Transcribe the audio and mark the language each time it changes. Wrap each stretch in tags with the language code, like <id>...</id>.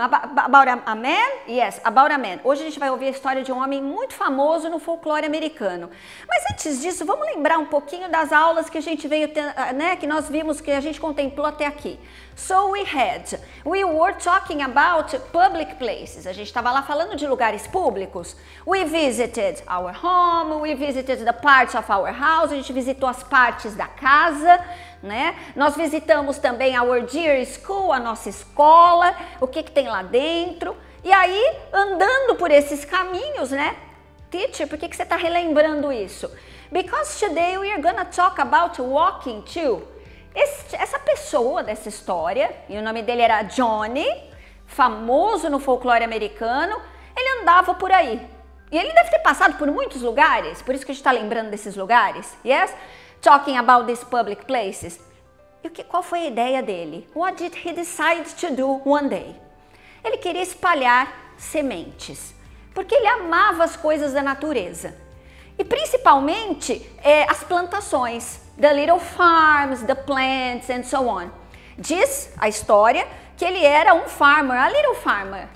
<pt>About a man? Yes, about a man. Hoje a gente vai ouvir a história de um homem muito famoso no folclore americano. Mas antes disso, vamos lembrar um pouquinho das aulas que a gente veio ter, né? Que nós vimos, que a gente contemplou até aqui. So we were talking about public places. A gente estava lá falando de lugares públicos.</pt> <en>We visited our home, we visited the parts of our house. A gente visitou as partes da casa, né?</en> <pt>Nós visitamos também our dear school, a nossa escola, o que que tem lá dentro. E aí, andando por esses caminhos, né? Teacher, por que que você está relembrando isso?</pt> <en>Because today we are gonna talk about walking too.</en> <pt>Essa pessoa dessa história, e o nome dele era Johnny, famoso no folclore americano, ele andava por aí. E ele deve ter passado por muitos lugares, por isso que a gente está lembrando desses lugares. Yes? Talking about these public places. E qual foi a ideia dele?</pt> <en>What did he decide to do one day?</en> <pt>Ele queria espalhar sementes, porque ele amava as coisas da natureza.</pt> <en>E principalmente as plantações, the little farms, the plants and so on.</en> <pt>Diz a história que ele era um farmer, a little farmer.</pt>